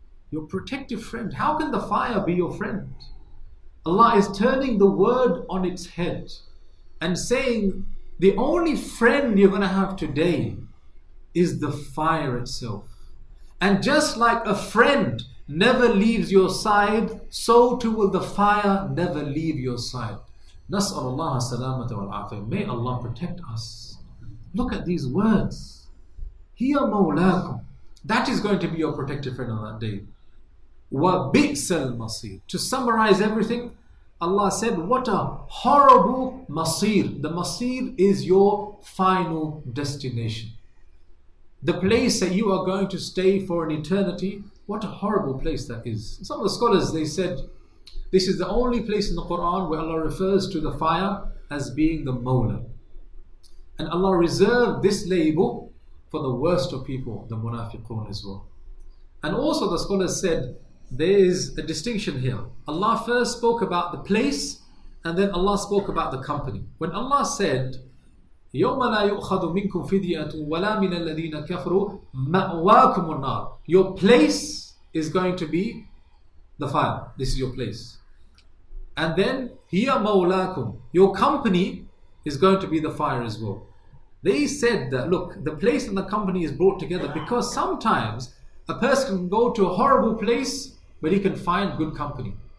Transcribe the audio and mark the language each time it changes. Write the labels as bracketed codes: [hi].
[en] Your protective friend. How can the fire be your friend? Allah is turning the word on its head and saying, the only friend you're going to have today is the fire itself. And just like a friend never leaves your side, so too will the fire never leave your side. [ar] نسأل الله السلامة والعافية. [en] May Allah protect us. Look at these words. [ar] هِيَ مَوْلَاكُمْ. [en] That is going to be your protective friend on that day. [ar] وَبِئْسَ الْمَصِيرُ. [en] To summarize everything, Allah said, what a horrible masir. The masir is your final destination. The place that you are going to stay for an eternity, what a horrible place that is. Some of the scholars, they said, this is the only place in the Quran where Allah refers to the fire as being the mawla. And Allah reserved this label for the worst of people, the munafiqun as well. And also the scholars said, there is a distinction here. Allah first spoke about the place, and then Allah spoke about the company. When Allah said, [ar] يَوْمَ لَا يُؤْخَذُ مِنْكُمْ فِدْيَةٌ وَلَا مِنَ الَّذِينَ كَفْرُوا مَأْوَاكُمُ النَّارِ. [en] Your place is going to be the fire. This is your place. And then, [ar] هِيَ مَوْلَاكُمْ. [en] Your company is going to be the fire as well. They said that, look, the place and the company is brought together because sometimes a person can go to a horrible place, but he can find good company.